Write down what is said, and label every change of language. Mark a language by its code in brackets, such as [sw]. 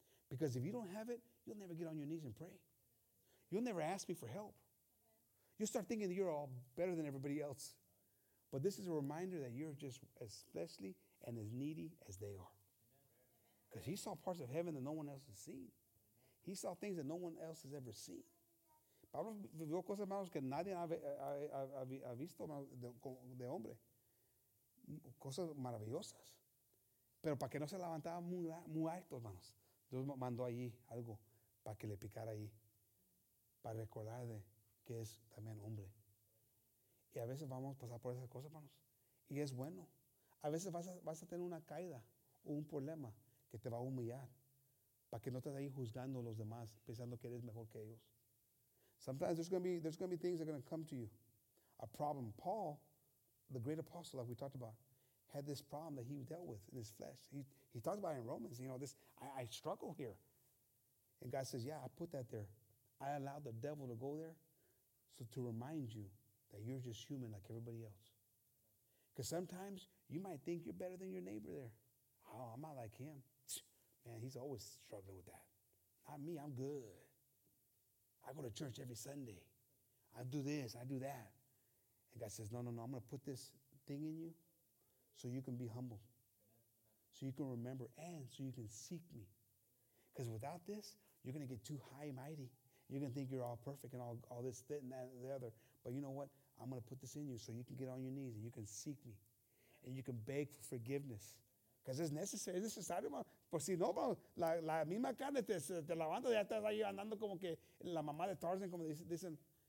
[en] Because if you don't have it, you'll never get on your knees and pray. You'll never ask me for help. You'll start thinking that you're all better than everybody else. But this is a reminder that you're just as fleshly and as needy as they are. Because he saw parts of heaven that no one else has seen. He saw things that no one else has ever seen. [es] Pablo vivió cosas, hermanos, que nadie ha visto de hombre. Cosas maravillosas. Pero para que no se levantara muy alto, hermanos, Dios mandó allí algo para que le picara allí. Para recordar de que es también hombre. Y a veces vamos a pasar por esas cosas, hermanos. Y es bueno. A veces vas a tener una caída o un problema que te va a humillar, para que no estés ahí juzgando a los demás, pensando que eres mejor que ellos. [en] Sometimes there's going to be things that are going to come to you. A problem. Paul, the great apostle, like we talked about, had this problem that he dealt with in his flesh. He talked about it in Romans, you know, this, I struggle here. And God says, yeah, I put that there. I allowed the devil to go there so to remind you that you're just human like everybody else. Because sometimes you might think you're better than your neighbor there. Oh, I'm not like him. Man, he's always struggling with that. Not me, I'm good. I go to church every Sunday. I do this, I do that. And God says, no, I'm going to put this thing in you so you can be humble, so you can remember, and so you can seek me. Because without this, you're going to get too high and mighty. You're going to think you're all perfect and all this, that, and that, and the other. But you know what? I'm going to put this in you so you can get on your knees and you can seek me and you can beg for forgiveness. Because it's necessary. It's necessary, man. [es] Por si no, la misma carne te levanta, ya estás ahí andando como que la mamá de Tarzan, como dicen.